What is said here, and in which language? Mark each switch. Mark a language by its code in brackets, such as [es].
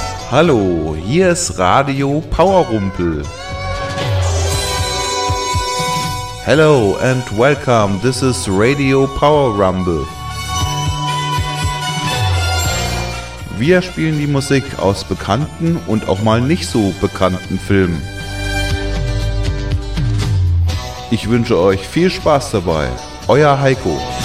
[de] Hallo, hier ist Radio Powerrumpel. [en] Hello and welcome, this is Radio Power Rumble. [de] Wir spielen die Musik aus bekannten und auch mal nicht so bekannten Filmen. Ich wünsche euch viel Spaß dabei, euer Heiko.